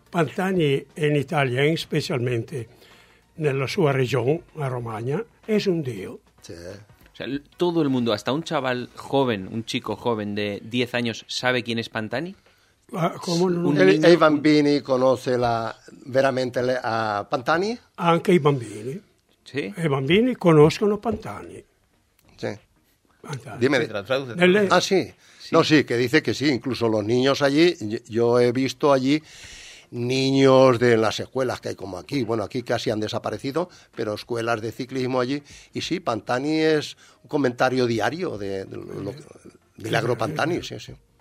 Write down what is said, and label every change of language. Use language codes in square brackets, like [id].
[es] Pantani en Italia, especialmente en la su región, la Romagna, es un dios. Sí. O sea, todo el mundo, hasta un chaval joven, un chico joven de 10 años, ¿sabe quién es Pantani? ¿Cómo no? ¿El bambini conoce veramente a Pantani? [it] Anche i bambini. Sí. I bambini conoscono Pantani. [es] Sí. Dime, traduce. Ah, sí. No, sí, que dice que sí, incluso los niños allí, yo he visto allí niños de las escuelas que hay como aquí, bueno, aquí casi han desaparecido, pero escuelas de ciclismo allí, y sí, Pantani es un comentario diario Milagro Pantani, sí, sí.